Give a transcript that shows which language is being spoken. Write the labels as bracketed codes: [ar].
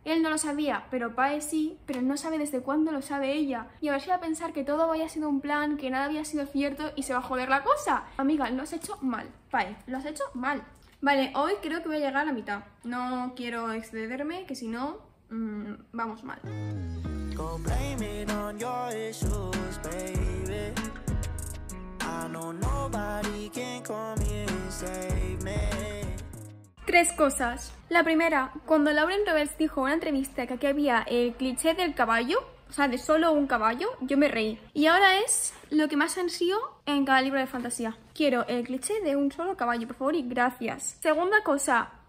[es] Él no lo sabía, pero Pae sí, pero no sabe desde cuándo lo sabe ella. Y a ver si va a pensar que todo había sido un plan, que nada había sido cierto y se va a joder la cosa. Amiga, lo has hecho mal. Pae, lo has hecho mal. Vale, hoy creo que voy a llegar a la mitad. No quiero excederme, que si no, vamos mal. [en] Go blame it on your issues, baby. I know nobody can come here and save me. [es] Tres cosas. La primera, cuando Lauren Roberts dijo en una entrevista que aquí había el cliché del caballo, o sea, de solo un caballo, yo me reí. Y ahora es lo que más ansío en cada libro de fantasía. Quiero el cliché de un solo caballo, por favor, y gracias. Segunda cosa.